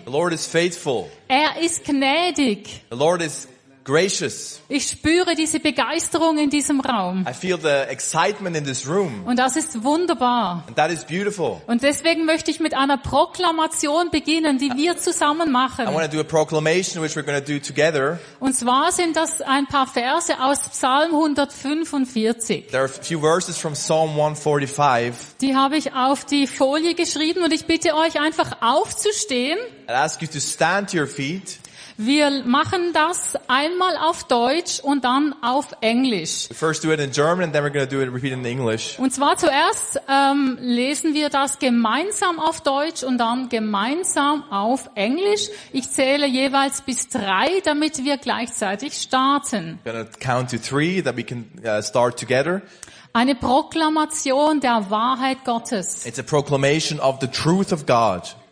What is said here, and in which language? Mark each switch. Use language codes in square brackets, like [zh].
[en] The Lord is faithful. [de] Er ist gnädig. [en] The Lord is gracious. [de] Ich spüre diese Begeisterung in diesem Raum. [en] I feel the excitement in this room. [de] Und das ist wunderbar. [en] And that is beautiful. [de] Und deswegen möchte ich mit einer Proklamation beginnen, die wir zusammen machen. [en] I want to do a proclamation which we're going to do together. [de] Und zwar sind das ein paar Verse aus Psalm 145. [en] There are a few verses from Psalm 145. [de] Die habe ich auf die Folie geschrieben und ich bitte euch einfach aufzustehen. [en] I ask you to stand to your feet. [de] Wir machen das einmal auf Deutsch und dann auf Englisch. [en] First do it in German and then we're going to do it repeat in English. [de] Und zwar zuerst lesen wir das gemeinsam auf Deutsch und dann gemeinsam auf Englisch. Ich zähle jeweils bis drei, damit wir gleichzeitig starten. [en] We're going to count to three that we can start together. [de] Eine Proklamation der Wahrheit Gottes. [en] It's a proclamation of the truth of God.